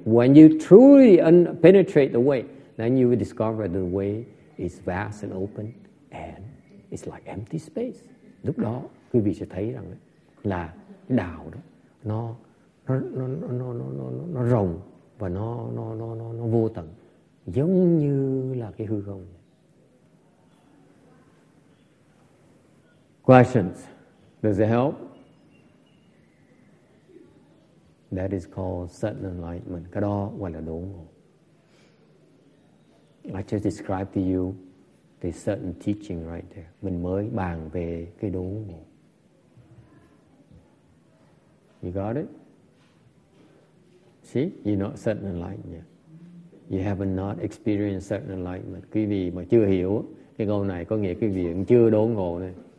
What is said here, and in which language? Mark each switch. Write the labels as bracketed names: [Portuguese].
[English] When you truly penetrate the way, then you will discover the way is vast and open and it's like empty space. [Vietnamese] Lúc đó quý vị sẽ thấy rằng là đạo đó nó rộng và nó vô tận giống như là cái hư không. [English] Questions? Does it help? That is called sudden enlightenment. [Vietnamese] Cái đó gọi là đốn ngộ. [English] I just described to you the sudden teaching right there. [Vietnamese] Mình mới bàn về cái đốn ngộ. [English] You got it? See, you're not sudden enlightenment yet. You haven't not experienced sudden enlightenment. [Vietnamese] Quý vị mà chưa hiểu cái câu này có nghĩa quý vị cũng chưa đốn ngộ này.